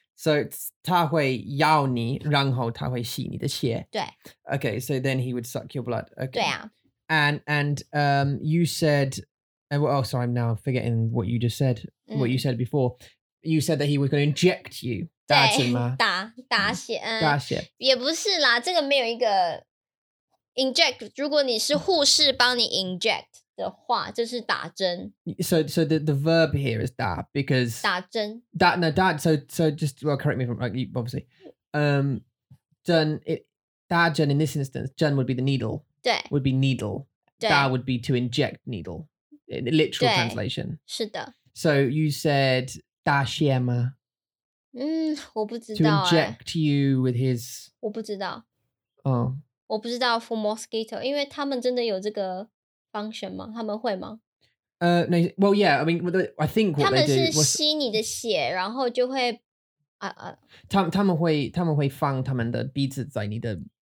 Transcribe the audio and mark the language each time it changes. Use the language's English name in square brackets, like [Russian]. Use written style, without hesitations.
[Chinese] So, 他会咬你,然后他会吸你的血. 对. [English] Okay, so then he would suck your blood. Okay. [Chinese] 对啊. [English] And you said, oh, sorry, I'm now forgetting what you just said, what you said before. You said that he was going to inject you. [Chinese] 打针吗?打血。也不是啦,这个没有一个... Inject, 如果你是护士帮你 inject 的话,就是打针. [English] So the verb here is 打, because... [Chinese] 打针. [English] 打, no, 打, so just, well, correct me if I'm wrong, like, obviously. 针, 打针 in this instance, 针 would be the needle. [Chinese] 对. [English] Would be needle. [Chinese] 对. [English] 打 would be to inject needle, in literal 对. Translation. [Chinese] 是的. [English] So you said [Chinese] 打血吗? 我不知道. [English] To inject you with his... [Chinese] 我不知道. [English] Oh. [Chinese] 我不知道 [English] for mosquito, [Chinese] 因为他们真的有这个 function 吗?他们会吗? [English] No, well, yeah, I mean, I think what they do... [Chinese] 他们是吸你的血, 然后就会... 他们会放他们的鼻子在你的...